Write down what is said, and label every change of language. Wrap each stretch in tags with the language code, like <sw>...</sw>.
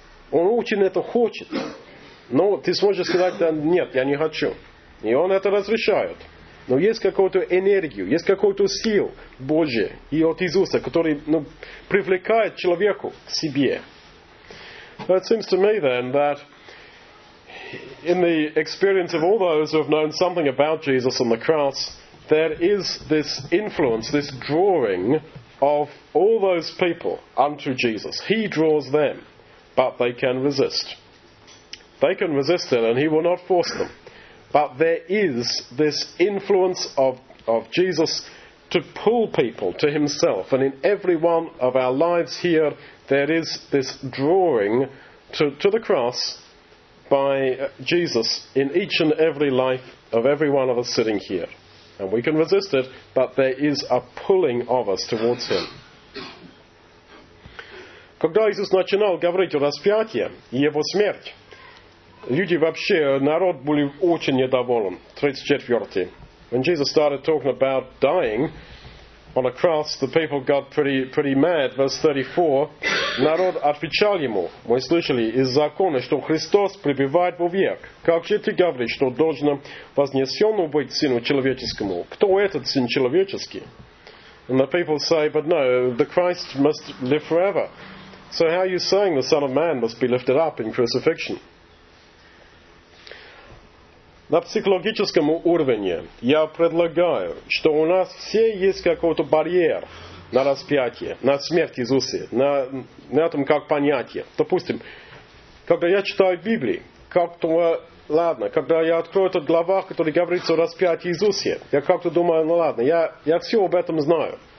<ru>Он очень это хочет. Но ты сможешь сказать, да, нет, я не хочу. И он это разрешает. Но есть какую-то энергию, есть какую-то силу Божия и от Иисуса, который привлекает человеку к себе.</ru> <en>It seems to me then that in the experience of all those who have known something about Jesus on the cross, there is this influence, this drawing of all those people unto Jesus. He draws them, but they can resist. They can resist it and he will not force them. But there is this influence of Jesus to pull people to himself. And in every one of our lives here, there is this drawing to the cross by Jesus in each and every life of every one of us sitting here. And we can resist it, but there is a pulling of us towards him.</en> <ru>Когда Иисус начинал говорить о распятии и его смерти, люди вообще, народ были очень недоволен. 34.</ru> <en>When Jesus started talking about dying on a cross, the people got pretty mad. Verse 34.</en> <ru>Народ отвечал ему. Мы слышали из закона, что Христос пребывает вовек. Как же ты говоришь, что должно вознесено быть Сыну Человеческому? Кто этот Сын Человеческий?</ru> <en>And the people say, but no, the Christ must live forever. So how are you saying the Son of Man must be lifted up in crucifixion?</en> <ru>На психологическом уровне я предлагаю, что у нас все есть какой-то барьер на распятие, на смерть Иисуса, на этом как понятие. Допустим, когда я читаю Библию, как-то, ладно, когда я открою эту главу, которая говорится о распятии Иисуса, я как-то думаю, ладно, я все об этом знаю.</ru>